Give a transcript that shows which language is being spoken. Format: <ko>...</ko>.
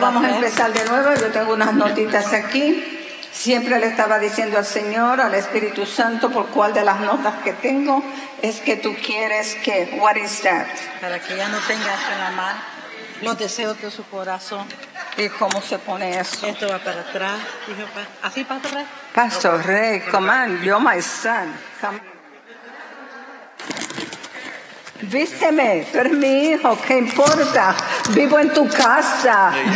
<es>Vamos a empezar de nuevo. Yo tengo unas notitas aquí. Siempre le estaba diciendo al Señor, al Espíritu Santo, por cuál de las notas que tengo es que tú quieres que,</es> <en>what is that?</en> <es>Para que ya no tenga esto en la mano, los deseos de su corazón. ¿Y cómo se pone eso? Esto va para atrás. ¿Así, Pastor Rey?</es> <en>Pastor Rey, come on, you're my son. Come.</en> <es>Vísteme, tú eres mi hijo, ¿qué importa? Vivo en tu casa.</es>